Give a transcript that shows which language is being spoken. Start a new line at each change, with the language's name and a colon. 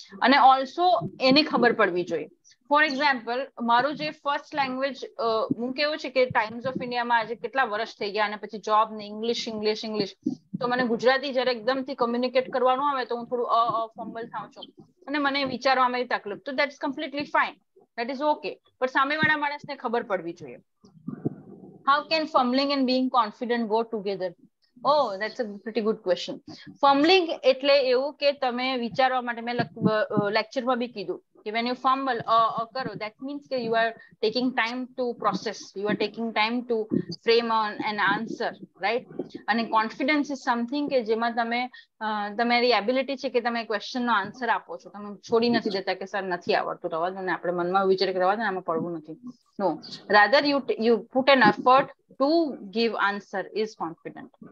Gujarati: અને ઓલ્સો એને ખબર પડવી જોઈએ.
English: for example,
Gujarati: મારું જે ફર્સ્ટ લેંગ્વેજ, હું કેવું છે કે ટાઈમ્સ ઓફ ઇન્ડિયામાં આજે કેટલા વર્ષ થઈ ગયા અને પછી જોબ ને ઇંગ્લિશ ઇંગ્લિશ ઇંગ્લિશ, તો મને ગુજરાતી જયારે એકદમથી કમ્યુનિકેટ કરવાનું આવે તો હું થોડું ફમ્બલ થાઉં છું અને મને વિચારવામાં તકલીફ. તો
English: That is completely fine, that is okay.
Gujarati: પણ સામેવાળા માણસને ખબર પડવી જોઈએ.
English: How can fumbling and being confident go together? Oh, that's a pretty good question.
Gujarati: ફમ્બલિંગ એટલે એવું કે તમે વિચારવા માટે, મેં લેક્ચરમાં બી કીધું,
English: when you fumble કરો, that means કે you are taking time to process, you are taking time to frame on an answer, right?
Gujarati: અને
English: confidence is something
Gujarati: કે જેમાં તમે તમારી ability છે કે તમે question નો answer આપો છો. તમે છોડી નથી દેતા કે સર નથી આવડતું, રવા દો ને, આપણે મનમાં વિચાર કે રવા દો ને, આમાં પડવું નથી.
English: No, rather you put an effort to give answer is confident.